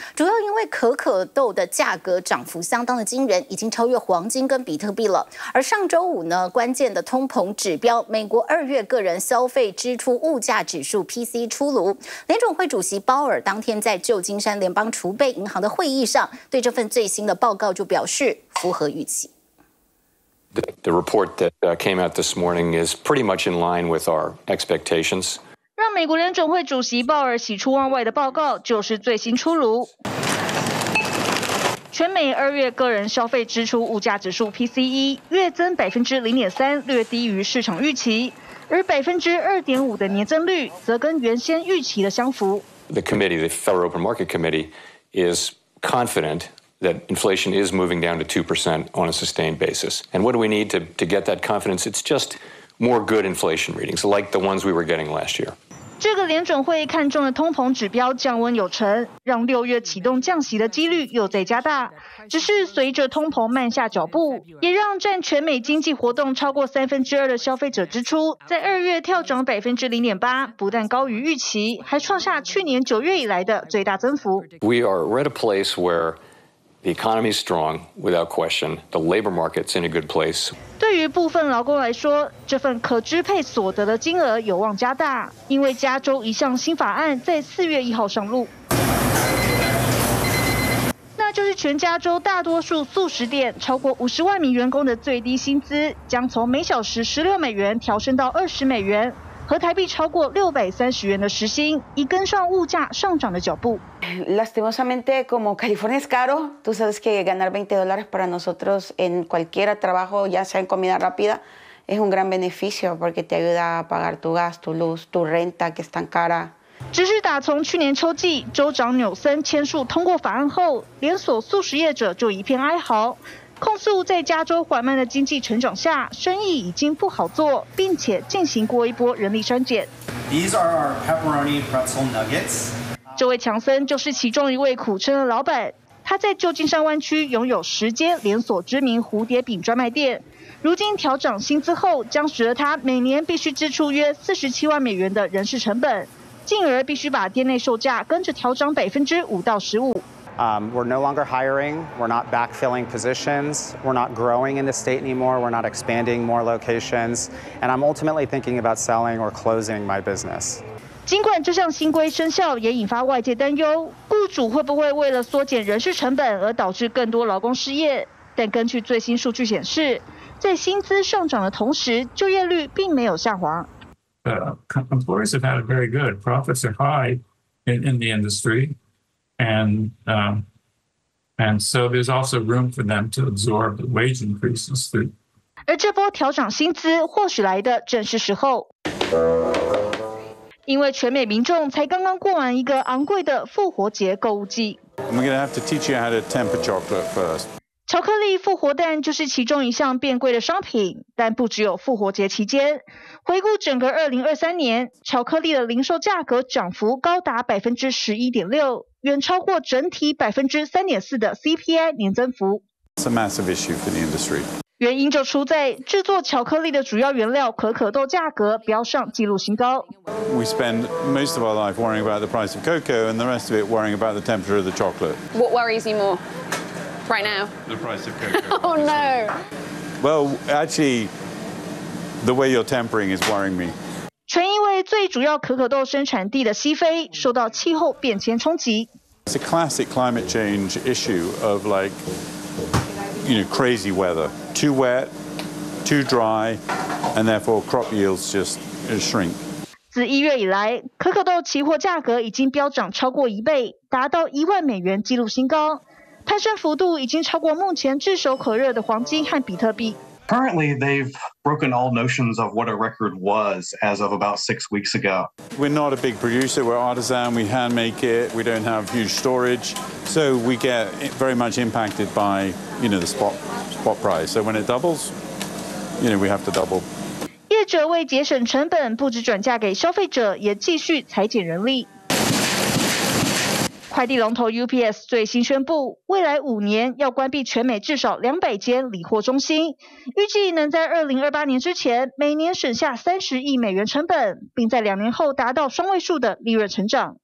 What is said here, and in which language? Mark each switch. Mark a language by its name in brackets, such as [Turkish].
[Chinese] 主要因为可可豆的价格涨幅相当的惊人，已经超越黄金跟比特币了。而上周五呢，关键的通膨指标美国二月个人消费支出物价指数 PC 出炉，联准会主席鲍尔当天在旧金山联邦储备银行的会议上，对这份最新的报告就表示符合预期。 [English] The report that came out this morning is pretty much in line with our expectations. [Chinese] 让美国联准会主席鲍尔喜出望外的报告就是最新出炉。全美二月个人消费支出物价指数 PCE 月增0.3%，略低于市场预期，而2.5%的年增率则跟原先预期的相符。 [English] The committee, the Federal Open Market Committee, is confident. That inflation is moving down to 2% on a sustained basis. And what do we need to get that confidence? It's just more good inflation readings, like the ones we were getting last year. [Chinese] 这个联准会看中的通膨指标降温有成，让六月启动降息的几率又在加大。只是随着通膨慢下脚步，也让占全美经济活动超过2/3的消费者支出在二月跳涨0.8%，不但高于预期，还创下去年九月以来的最大增幅。 [English] We are at a place where. The economy is strong, without question. The labor market's in a good place. [Chinese] 对于部分劳工来说，这份可支配所得的金额有望加大，因为加州一项新法案在4月1日上路，那就是全加州大多数速食店超过50万名员工的最低薪资将从每小时$16调升到20美元。和台币超过630元的时薪，已跟上物价上涨的脚步。 [Spanish] Lastimosamente, como California es caro, tú sabes que ganar $20 para nosotros en cualquier trabajo, ya sea en comida rápida, es un gran beneficio porque te ayuda a pagar tu gas, tu luz, tu renta que es tan cara. [Chinese] 只是打从去年秋季州长纽森签署通过法案后，连锁速食业者就一片哀嚎。控诉在加州缓慢的经济成长下，生意已经不好做，并且进行过一波人力删减。 [English] These are our pepperoni pretzel nuggets. [Chinese] 这位强森就是其中一位苦撑的老板，他在旧金山湾区拥有10间连锁知名蝴蝶饼专卖店，如今调涨薪资后，将使得他每年必须支出约$47万的人事成本，进而必须把店内售价跟着调涨5%-15%。 [English] We're no longer hiring. We're not backfilling positions. We're not growing in the state anymore. We're not expanding more locations. And I'm ultimately thinking about selling or closing my business. [Chinese] 尽管这项新规生效也引发外界担忧，雇主会不会为了缩减人事成本而导致更多劳工失业？但根据最新数据显示，在薪资上涨的同时，就业率并没有下滑。 [English] Employers have had it very good. Profits are high in the industry, and so there's also room for them to absorb the wage increases through. [Chinese] 而这波调涨薪资或许来的正是时候。因为全美民众才刚刚过完一个昂贵的复活节购物季。 [English] We're going to have to teach you how to temper chocolate first. [Chinese] 巧克力复活蛋就是其中一项变贵的商品，但不只有复活节期间。回顾整个2023年，巧克力的零售价格涨幅高达 11.6%， 远超过整体 3.4% 的 CPI 年增幅。 [English] It's a massive issue for the industry. [Chinese] 原因就出在制作巧克力的主要原料可可豆价格飙上纪录新高。 [English] We spend most of our life worrying about the price of cocoa and the rest of it worrying about the temperature of the chocolate. What worries you more right now? The price of cocoa. Oh no. Well, actually, the way you're tempering is worrying me. [Chinese] 全因为最主要可可豆生产地的西非受到气候变迁冲击。 [English] It's a classic climate change issue of like, you know, crazy weather. Too wet, too dry, and therefore crop yields just shrink. [Chinese] 自一月以来，可可豆期货价格已经飙涨超过一倍，达到$10,000纪录新高，攀升幅度已经超过目前炙手可热的黄金和比特币。 [English] Currently, they've broken all notions of what a record was as of about 6 weeks ago. We're not a big producer. We're artisan. We hand make it. We don't have huge storage, so we get very much impacted by, you know, the spot price. So when it doubles, you know, we have to double. [Chinese] 业者为节省成本，不止转嫁给消费者，也继续裁减人力。快递龙头 UPS 最新宣布，未来五年要关闭全美至少200间理货中心，预计能在2028年之前每年省下$30亿成本，并在两年后达到双位数的利润成长。